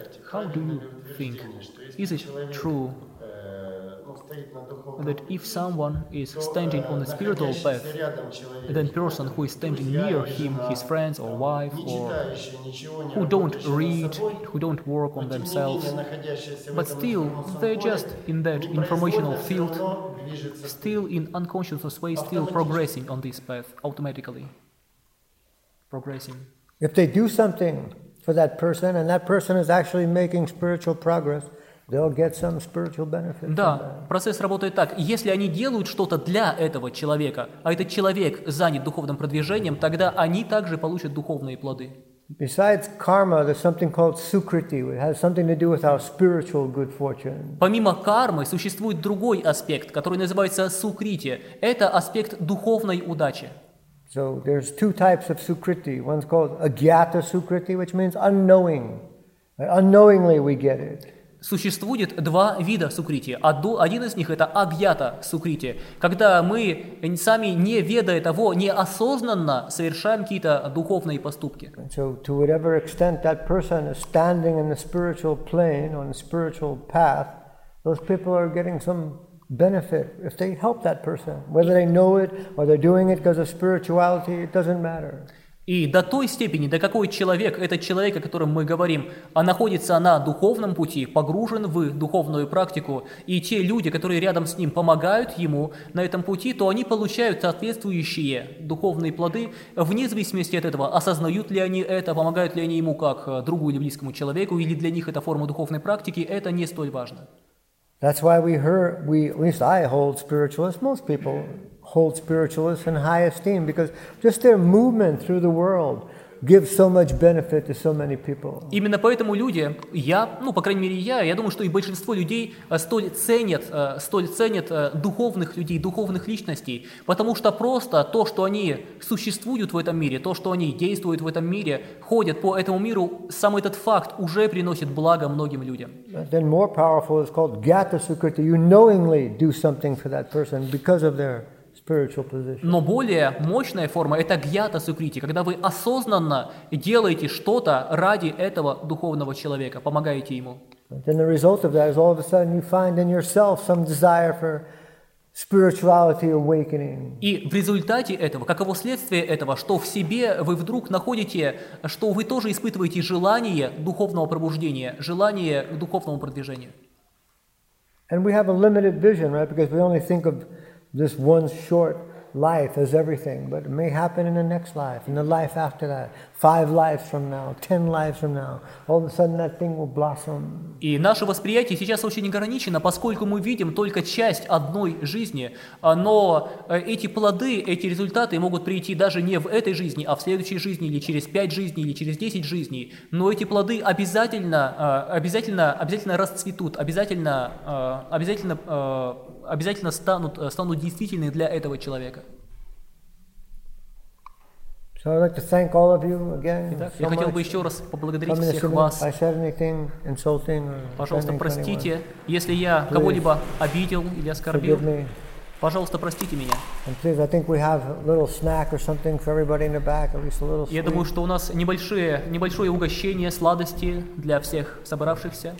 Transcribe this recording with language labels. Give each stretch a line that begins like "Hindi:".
English: How do you think, is it true that if someone is standing on a spiritual path, then person who is standing near him, his friends or wife, or who don't read, who don't work on themselves, but still they're just in that informational field, still in unconscious way, still progressing on this path, automatically progressing. If they do something for that person, and that person is actually making spiritual progress, they'll get some spiritual benefit.
Russian: Да, процесс работает так. Если они делают что-то для этого человека, а этот человек занят духовным продвижением, тогда они также получат духовные плоды.
English: Besides karma, there's something called sukriti. It has something to do with our spiritual good fortune.
Russian: Помимо кармы существует другой аспект, который называется сукрити. Это аспект духовной удачи.
English: So there's two types of sukriti. One's called agyata sukriti, which means unknowing. Unknowingly we get it.
Russian: Существует два вида сукрити. Один из них это агьята сукрити, когда мы сами не ведая того, неосознанно совершаем какие-то духовные поступки.
English: And so to whatever extent that person is standing in the spiritual plane on the spiritual path, those people are getting some benefit if they help that person, whether they know it or they're doing it because of spirituality, it doesn't matter.
Russian: И до той степени, до какой человек, этот человек, о котором мы говорим, находится на духовном пути, погружен в духовную практику, и те люди, которые рядом с ним помогают ему на этом пути, то они получают соответствующие духовные плоды, вне зависимости от этого, осознают ли они это, помогают ли они ему как другу или близкому человеку, или для них это форма духовной практики, это не столь важно.
English: That's why I hold spiritualists, most people hold spiritualists in high esteem, because just their movement through the world gives so much benefit to so many people.
Russian: Именно поэтому люди, я думаю, что и большинство людей столь ценят духовных людей, духовных личностей, потому что просто то, что они существуют в этом мире, то, что они действуют в этом мире, ходят по этому миру, сам этот факт уже приносит благо многим людям.
English: Then more powerful is called gyata sukriti. You knowingly do something for that person because of their spiritual position.
Russian: Но более мощная форма – это гьята сукрити, когда вы осознанно делаете что-то ради этого духовного человека, помогаете ему.
English: Then the result of that is all of a sudden you find in yourself some desire for spirituality awakening.
Russian: И в результате этого, каково следствие этого, что в себе вы вдруг находите, что вы тоже испытываете желание духовного пробуждения, желание к духовному продвижению.
English: And we have a limited vision, right? Because we only think of this one short life as everything, but it may happen in the next life, in the life after that, 5 lives from now, 10 lives from now, all of a sudden that thing will blossom.
Russian: И наше восприятие сейчас очень ограничено, поскольку мы видим только часть одной жизни, но эти плоды, эти результаты могут прийти даже не в этой жизни, а в следующей жизни, или через 5 жизней, или через 10 жизней, но эти плоды обязательно расцветут, обязательно станут действительны для этого человека.
English: So I'd like to thank all of you again.
Russian: Итак,
English: so
Russian: я хотел бы еще раз поблагодарить всех вас.
English: I said anything insulting.
Russian: Пожалуйста, простите, если я кого-либо обидел или оскорбил. Пожалуйста, простите меня.
English: And please, I think we have a little snack or something for everybody in the back, at least a little sweet.
Russian: Я думаю, что у нас небольшое угощение, сладости для всех собравшихся.